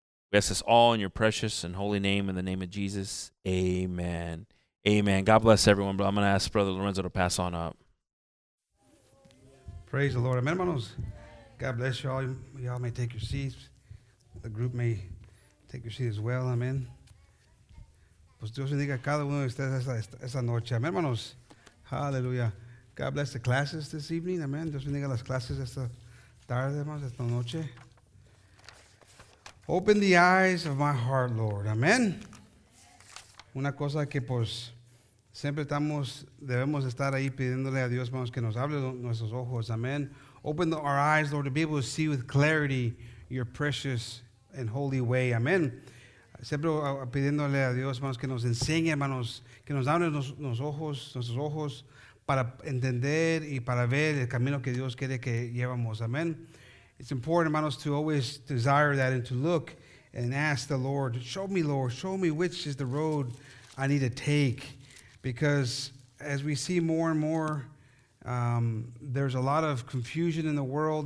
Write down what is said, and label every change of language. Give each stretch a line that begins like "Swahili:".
English: We ask this all in your precious and holy name, in the name of Jesus. Amen. Amen. God bless everyone, but I'm going to ask Brother Lorenzo to pass on up. Praise the Lord. Amen, hermanos. God bless you all. Y'all may take your seats. The group may take your seat as well. Amen.
Spanish: Pues Dios bendiga a cada uno de ustedes esta noche.
English: Amen, hermanos. Hallelujah. God bless the classes this evening. Amen.
Spanish: Dios bendiga las clases esta tarde, hermanos, esta noche.
English: Open the eyes of my heart, Lord.
Spanish: Amen. Una cosa que pues siempre estamos, debemos estar ahí pidiéndole a Dios, hermanos, que nos hable nuestros ojos. Amen.
English: Open our eyes, Lord, to be able to see with clarity your precious and holy way. Amen.
Spanish: Siempre pidiéndole a Dios, hermanos, que nos enseñe, hermanos, que nos abra nuestros ojos para entender y para ver el camino que Dios quiere que llevamos. Amen.
English: It's important, hermanos, to always desire that and to look and ask the Lord, show me which is the road I need to take. Because as we see more and more, there's a lot of confusion in the world.